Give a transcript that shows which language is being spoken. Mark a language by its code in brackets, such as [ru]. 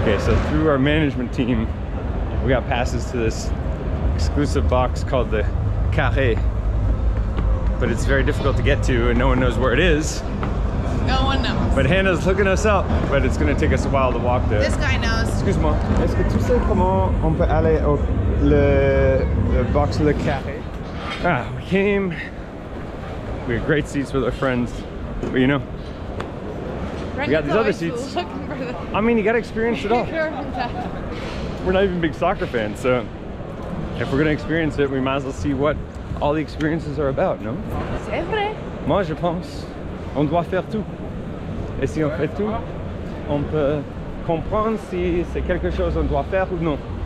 [en] Okay, so through our management team, we got passes to this exclusive box called the Carré. But it's very difficult to get to and no one knows where it is. No one knows. But Hannah's looking us up, but it's gonna take us a while to walk there. This guy knows. [fr] Excuse-moi. Est-ce que tu sais comment on peut aller au le box le Carré? [en] Ah, we came. We had great seats with our friends, but you know, Brent, we got these other seats. Looking for the I mean, you got to experience it all. We're not even big soccer fans, so if we're going to experience it, we might as well see what all the experiences are about, no? [fr] C'est vrai. Moi, je pense, on doit faire tout. Et si on fait tout, on peut comprendre si c'est quelque chose on doit faire ou non.